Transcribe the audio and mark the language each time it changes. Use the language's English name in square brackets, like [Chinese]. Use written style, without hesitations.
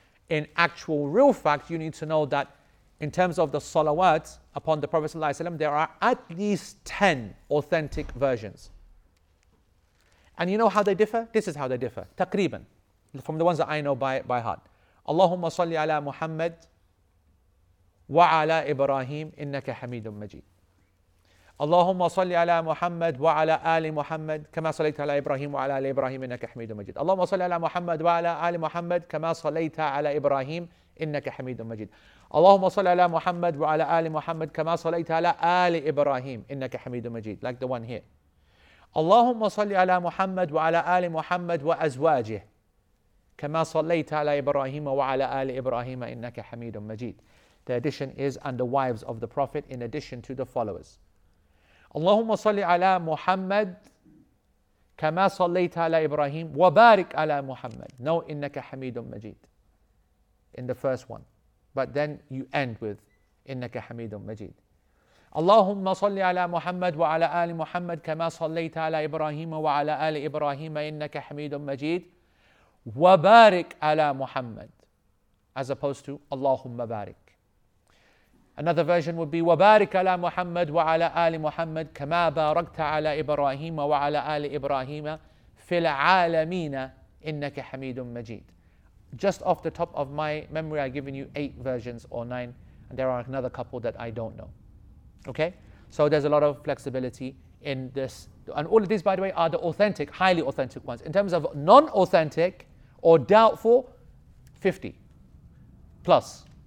[English] In actual real fact, you need to know that in terms of the salawat upon the Prophet ﷺ, there are at least 10 authentic versions. And you know how they differ? This is how they differ. Taqriban. From the ones that I know by heart. [Arabic] Allahumma salli ala Muhammad وعلى إبراهيم إنك حميد مجيد. اللهم صل على محمد وعلى آل محمد كما صليت على إبراهيم وعلى آل إبراهيم إنك حميد مجيد. اللهم صل على محمد وعلى آل محمد كما صليت على إبراهيم إنك حميد مجيد. اللهم صل على محمد وعلى آل محمد كما صليت على آل إبراهيم إنك حميد مجيد. [English] Like the one here. [Arabic] اللهم صل على محمد وعلى آل محمد وأزواجه كما صليت على إبراهيم وعلى آل إبراهيم إنك حميد مجيد. [English] The addition is on the wives of the Prophet in addition to the followers. [Arabic] اللهم صل على محمد كما صليت على إبراهيم وبارك على محمد. [English] No, [Arabic] إنك حميد مجيد [English] in the first one. But then you end with [Arabic] إنك حميد مجيد. اللهم صل على محمد وعلى آل محمد كما صليت على إبراهيم وعلى آل إبراهيم إنك حميد مجيد وبارك على محمد [English] as opposed to [Arabic] اللهم بارك. [English] Another version would be [Arabic] وبارك على محمد وعلى آل محمد كما باركت على إبراهيم وعلى آل إبراهيم في العالمين إنك حميد مجيد. [English] Just off the top of my memory, I've given you 8 versions or 9, and there are another couple that I don't know. Okay, so there's a lot of flexibility in this, and all of these, by the way, are the authentic, highly authentic ones. In terms of non-authentic or doubtful, 50 plus.